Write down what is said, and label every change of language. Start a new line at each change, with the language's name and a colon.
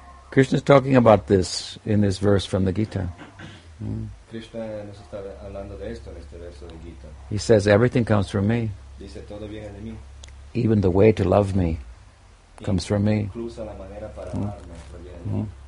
English: Krishna is talking about this in this verse from the Gita.
Spanish: Krishna nos está hablando de esto en este verso de Gita.
English: He says, everything comes from me.
Spanish: Dice, todo viene de mí.
English: Even the way to love me comes from me.
Spanish: Incluso la manera para amarme proviene de mí.